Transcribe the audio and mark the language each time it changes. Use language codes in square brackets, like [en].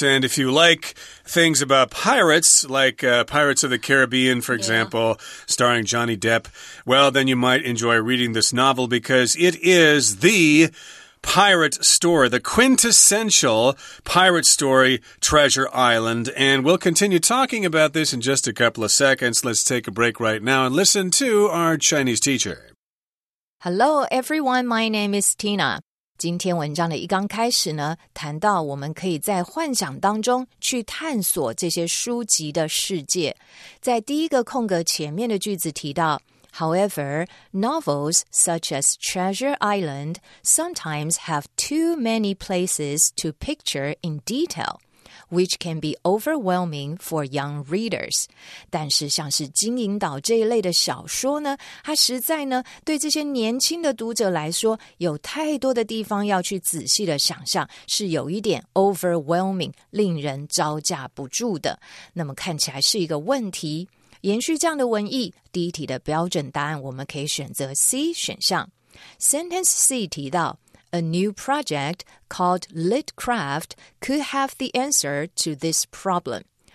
[en] And if you like things about pirates, like Pirates of the Caribbean, for example, starring Johnny Depp, well, then you might enjoy reading this novel because it is the pirate story, the quintessential pirate story, Treasure Island. And we'll continue talking about this in just a couple of seconds. Let's take a break right now and listen to our Chinese teacher. Hello, everyone. My name is Tina. [zh] 今天文章的一刚开始呢，谈到我们可以在幻想当中去探索这些书籍的世界。在第一个空格前面的句子提到， [en] However, novels such as Treasure Island sometimes have too many places to picture in detail, which can be overwhelming for young readers. [zh] 但是像是金银岛这一类的小说呢，它实在呢，对这些年轻的读者来说，有太多的地方要去仔细的想象，是有一点 overwhelming, 令人招架不住的。那么看起来是一个问题。延续这样的文意，第一题的标准答案我们可以选择 C 选项。 [en] Sentence C [zh] 提到 [en] ,A new project called Litcraft could have the answer to this problem.